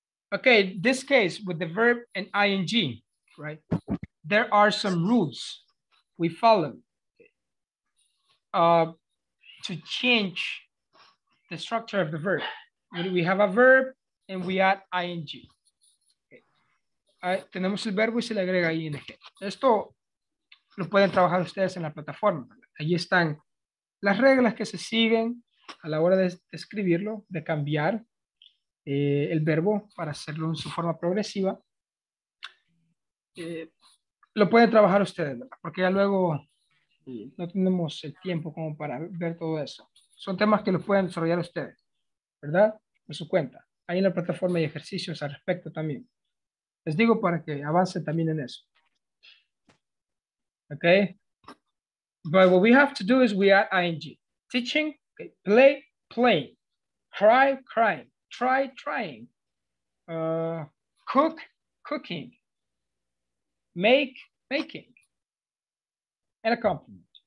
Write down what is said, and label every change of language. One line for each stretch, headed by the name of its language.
English: Okay, this case with the verb and ing, right? There are some rules we follow to change the structure of the verb. We have a verb and we add ing.
Spanish: Tenemos el verbo y se le agrega ing. Esto lo pueden trabajar ustedes en la plataforma. Allí están las reglas que se siguen a la hora de escribirlo, de cambiar el verbo para hacerlo en su forma progresiva. Lo pueden trabajar ustedes, ¿verdad? Porque ya luego no tenemos el tiempo como para ver todo eso. Son temas que los pueden desarrollar ustedes, ¿verdad? Por su cuenta. Hay en la plataforma y ejercicios al respecto también. Les digo para que avancen también en eso.
English: Okay. But what we have to do is we add ing. Teaching, okay. Play, playing. Cry, crying. Try, trying. Cook, cooking. Make, making, and a compliment.